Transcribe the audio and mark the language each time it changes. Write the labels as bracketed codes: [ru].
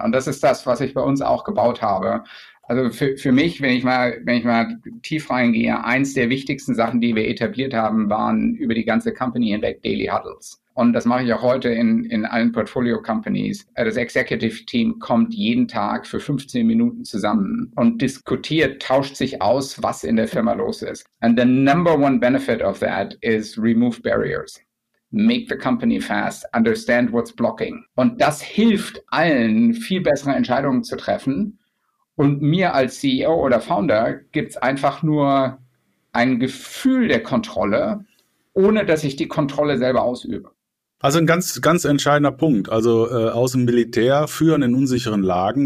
[de] Und das ist das, was ich bei uns auch gebaut habe. Also für mich, wenn ich mal tief reingehe, eins der wichtigsten Sachen, die wir etabliert haben, waren über die ganze Company hinweg Daily Huddles. Und das mache ich auch heute in allen Portfolio Companies. Das Executive Team kommt jeden Tag für 15 Minuten zusammen und diskutiert, tauscht sich aus, was in der Firma los ist. [en] And the number one benefit of that is remove barriers. Make the company fast, understand what's blocking. [de] Und das hilft allen, viel bessere Entscheidungen zu treffen. Und mir als CEO oder Founder gibt's einfach nur ein Gefühl der Kontrolle, ohne dass ich die Kontrolle selber ausübe. Also ein ganz, ganz entscheidender Punkt. Also aus dem Militär führen in unsicheren Lagen.